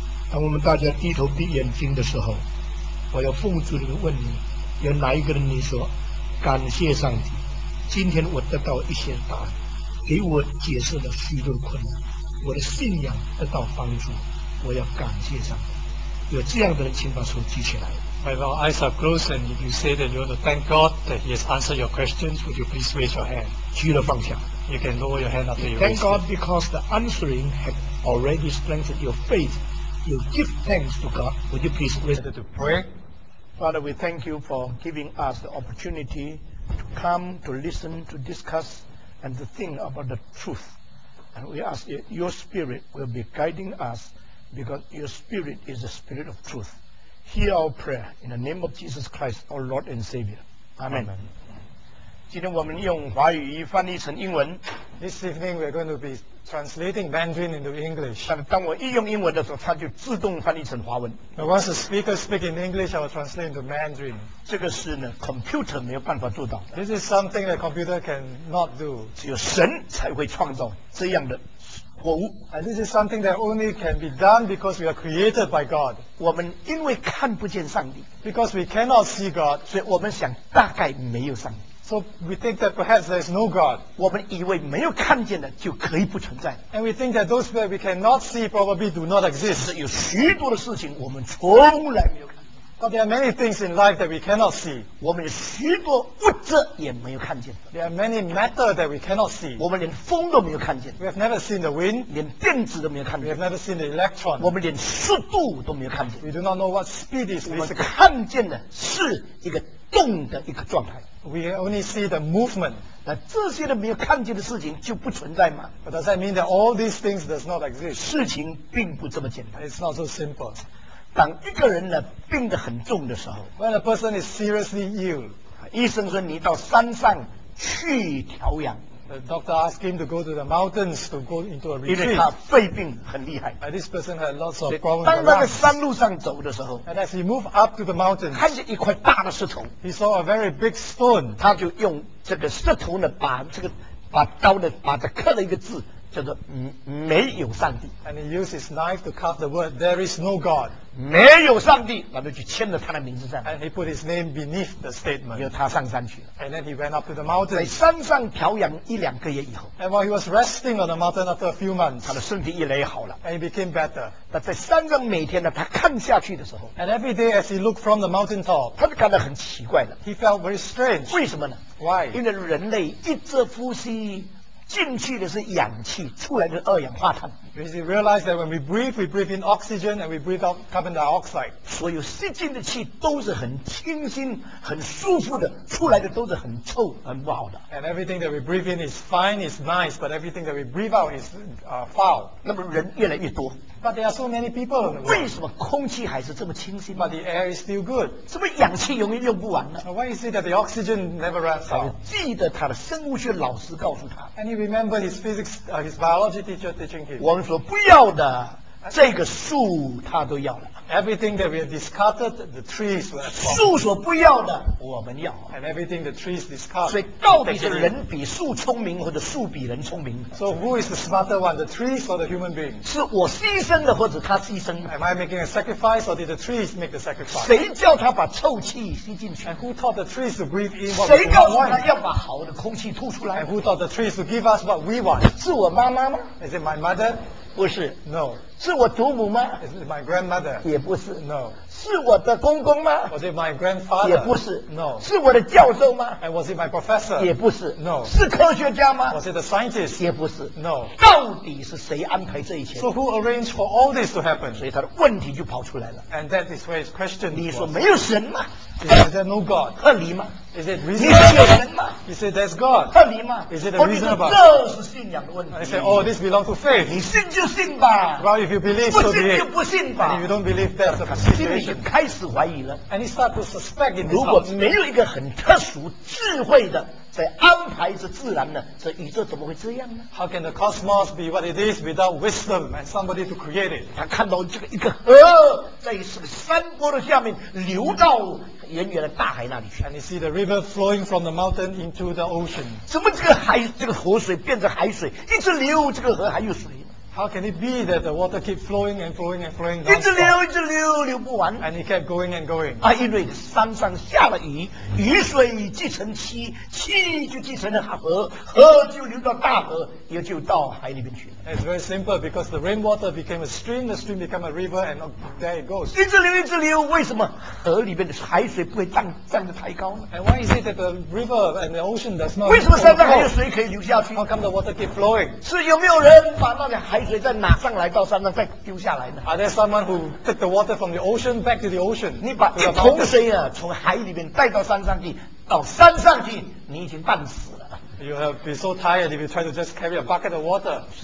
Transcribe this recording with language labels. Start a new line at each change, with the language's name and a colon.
Chinese: 当我们大家低头闭眼睛的时候，我要奉主的问你，有哪一个人你说感谢上帝，今天我得到一些答案，给我解释了许多困难，我的信仰得到帮助，我要感谢上帝。有这样的人，请把手举起来。
English: If our eyes are closed and if you say that you want to thank God that He has answered your questions, would you please raise your hand?
Chinese: 举了放下。
English: You can lower your hand after you thank God because the answering has already strengthened your faith. You give thanks to God. Would you please raise it to pray? Father, we thank you for giving us the opportunity to come, to listen, to discuss, and to think about the truth. And we ask that your Spirit will be guiding us because your Spirit is the Spirit of truth. Hear our prayer in the name of Jesus Christ, our Lord and Savior. Amen. Amen.
Chinese: 今天我们用华语翻译成英文。
English: This evening we're going to be translating Mandarin into English.
Chinese: 当我一用英文的时候，它就自动翻译成华文。
English: But once the speaker speaks in English, I will translate into Mandarin.
Chinese: 这个是呢 ，computer 没有办法做到的。
English: This is something that computer cannot do.
Chinese: 只有神才会创造这样的。
English: And this is something that only can be done because we are created by God.
Chinese: 我们因为看不见上帝
English: ，because we cannot see God，
Chinese: 所以我们想大概没有上帝。
English: So we think that perhaps there is no God.
Chinese: 我们以为没有看见的就可以不存在。
English: And we think that those that we cannot see probably do not exist.
Chinese: 有许多的事情我们从来没有看见。
English: But there are many things in life that we cannot see.
Chinese: 我们有许多物质也没有看见。
English: There are many matter that we cannot see.
Chinese: 我们连风都没有看见。
English: We have never seen the wind.
Chinese: 连电子都没有看见。
English: We have never seen the electron.
Chinese: 我们连速度都没有看见。
English: We do not know what speed is.
Chinese: 我们看见的是一个动的一个状态。
English: We only see the movement.
Chinese: 那这些的没有看见的事情就不存在吗？
English: But does that mean that all these things does not exist?
Chinese: 事情并不这么简单。
English: It's not so simple.
Chinese: 当一个人呢病得很重的时候
English: ，When a person is seriously ill,
Chinese: 医生说你到山上去调养。
English: The doctor asked him to go to the mountains to go into a retreat.
Chinese: 因为他肺病很厉害。
English: This person had lots of problems.
Chinese: 当他在山路上走的时候
English: ，And as he moved up to the mountains,
Chinese: 看见一块大的石头。
English: He saw a very big stone.
Chinese: 他就用这个石头呢，把这个把刀呢，把它刻了一个字，叫做没有上帝。
English: And he used his knife to cut the word "There is no God."
Chinese: 没有上帝，然后就签了他的名字上。
English: And he put his name beneath the statement.
Chinese: 然后他上山去了。
English: And then he went up to the mountain.
Chinese: 在山上调养一两个月以后。
English: And while he was resting on the mountain after a few months,
Chinese: 他的身体越来越好了。
English: And he became better.
Chinese: 那在山上每天呢，他看下去的时候。
English: And every day as he looked from the mountain top,
Chinese: 他就感到很奇怪了。
English: He felt very strange.
Chinese: 为什么呢
English: ？Why?
Chinese: 因为人类一直呼吸。进去的是氧气，出来的二氧化碳。
English: Because he realized that when we breathe in oxygen and we breathe out carbon dioxide.
Chinese: 所有吸进的气都是很清新、很舒服的，出来的都是很臭、很不好的。
English: And everything that we breathe in is fine, is nice, but everything that we breathe out is foul.
Chinese: 那么人越来越多。
English: But there are so many people.
Chinese: 为什么空气还是这么清新
English: ？But the air is still good.
Chinese: 是不是氧气永远用不完呢
English: ？Why is it that the oxygen never runs out?
Chinese: 记得他的生物学老师告诉他。
English: And he remembered his physics, his biology teacher teaching him.
Chinese: 我们说不要的这个树他都要了。
English: Everything that we have discarded, the trees will have
Chinese: gone. 树所不要的我们要。
English: And everything the trees discard.
Chinese: 所以到底是人比树聪明或者树比人聪明
English: ？So who is the smarter one, the trees or the human being?
Chinese: 是我牺牲的或者他牺牲
English: ？Am I making a sacrifice or did the trees make the sacrifice?
Chinese: 谁叫他把臭气吸进去
English: ？And who taught the trees to breathe in what we want?
Chinese: 谁告诉他要把好的空气吐出来
English: ？And who taught the trees to give us what we want?
Chinese: 是我妈妈吗
English: ？Is it my mother?
Chinese: 不是
English: ，no，
Chinese: 是我祖母吗
English: ？Is my grandmother？
Chinese: 也不是
English: ，no，
Chinese: 是我的公公吗
English: ？Was it my grandfather？
Chinese: 也不是
English: ，no，
Chinese: 是我的教授吗
English: ？And was it my professor？
Chinese: 也不是
English: ，no，
Chinese: 是科学家吗
English: ？Was it the scientist？
Chinese: 也不是
English: ，no，
Chinese: 到底是谁安排这一切
English: ？So who arranged for all this to happen？
Chinese: 所以他的问题就跑出来了。
English: And that is where his question.
Chinese: 你说没有神吗
English: ？Is there no God？
Chinese: 合理吗
English: ？Is it reasonable？
Chinese: 你说有神吗
English: ？He said there's God。
Chinese: 合理吗
English: ？Is it reasonable？
Chinese: 这是信仰的问题。
English: I said oh this belongs to faith。
Chinese: 你信就信吧。
English: Well, if you believe,
Chinese: 不信就不信吧。
English: And if you don't believe, that's a situation.
Chinese: 心里就开始怀疑了。
English: And he started to suspect in this house.
Chinese: 如果没有一个很特殊智慧的在安排着自然呢，这宇宙怎么会这样呢
English: ？How can the cosmos be what it is without wisdom and somebody to create it?
Chinese: 他看到这个一个河在这个山坡的下面流到远远的大海那里去。
English: And you see the river flowing from the mountain into the ocean.
Chinese: 怎么这个海这个河水变成海水，一直流，这个河还有水？
English: How can it be that the water keep flowing and flowing and flowing?
Chinese: 一直流，一直流，流不完。
English: And it kept going and going.
Chinese: 啊，因为山上下了雨，雨水积成溪，溪就积成了河，河就流到大河，也就到海里面去了。
English: It's very simple because the rainwater became a stream, the stream became a river, and there it goes.
Chinese: 一直流，一直流，为什么河里面的海水不会涨得太高呢？
English: And why is it that the river and the ocean does not?
Chinese: 为什么山上还有水可以流下去？
English: How come the water keep flowing?
Chinese: 是有没有人把那个 海水再拿上来到山上再丢下来呢？
English: Are there someone who took the water from the ocean back to the ocean?
Chinese: 你把一桶水啊从海里面带到山上去，到山上去，你已经半死了。
English: You have been so tired if you try to just carry a bucket of water.